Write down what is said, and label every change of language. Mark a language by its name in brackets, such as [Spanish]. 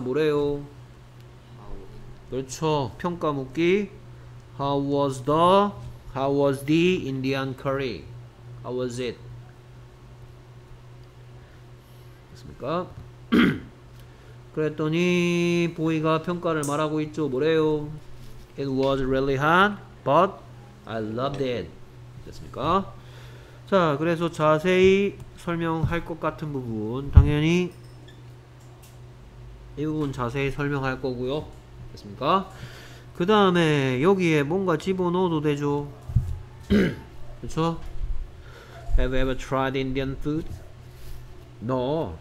[Korean] 뭐래요? 그렇죠. 평가 묻기. [English] How was the Indian curry? How was it? [Korean] 됐습니까? 그랬더니 보이가 평가를 말하고 있죠. 뭐래요? [English] It was really hot, but I loved it. [Korean] 됐습니까? 자, 그래서 자세히 설명할 것 같은 부분 당연히 이 부분 자세히 설명할 거고요. 됐습니까? 그 다음에 여기에 뭔가 집어넣어도 되죠. 그쵸? [English] Have you ever tried Indian food? No.